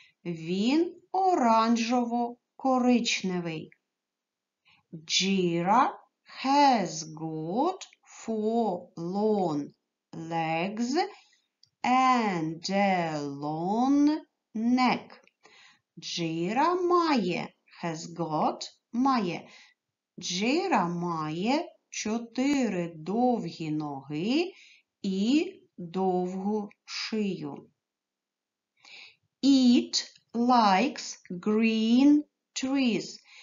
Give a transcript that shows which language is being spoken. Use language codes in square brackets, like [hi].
[uk] Він оранжево-коричневий. [en] Jira has got four long legs and a long neck. [uk] Jira має, [en] has got, [uk] має. Jira має чотири довгі ноги і довгу шию. [en] It likes green trees.